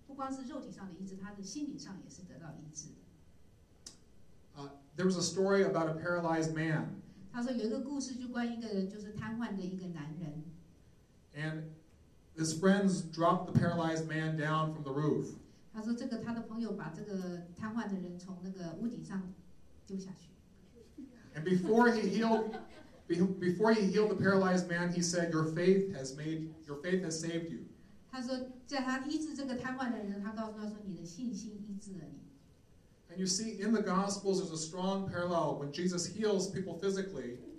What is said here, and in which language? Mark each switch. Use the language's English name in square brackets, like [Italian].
[Chinese] 所以当她那个妇女就是接触到耶稣的衣裳的时候，她不光是肉体上的医治，她的心灵上也是得到医治。 [English] There was a story about a paralyzed man. [Chinese] 她说有一个故事就关于一个就是瘫痪的一个男人。 [English] And his friends dropped the paralyzed man down from the roof. [Chinese] 她说这个她的朋友把这个瘫痪的人从那个屋顶上丢下去。 [English] And before he healed the paralyzed man, he said, "Your faith has saved you." [Chinese] 他说，在他医治这个瘫痪的人，他告诉他说，你的信心医治了你。 [English] And you see, in the Gospels, there's a strong parallel when Jesus heals people physically.